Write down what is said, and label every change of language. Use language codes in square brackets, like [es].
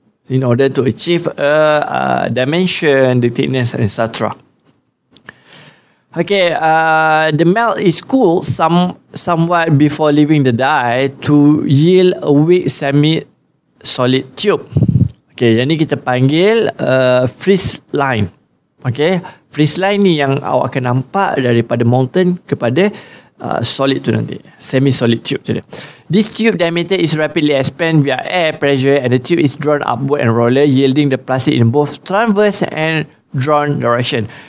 [en] In order to achieve a dimension, the thickness, and etc. Okay, the melt is cooled somewhat before leaving the die to yield a weak semi-solid tube. [ms] Okay, yang ni kita panggil freeze line. Okay, freeze line ni yang awak akan nampak daripada molten kepada solid tu nanti. Semi-solid tube tu dia. [en] This tube diameter is rapidly expanded via air pressure and the tube is drawn upward and roller yielding the plastic in both transverse and drawn direction.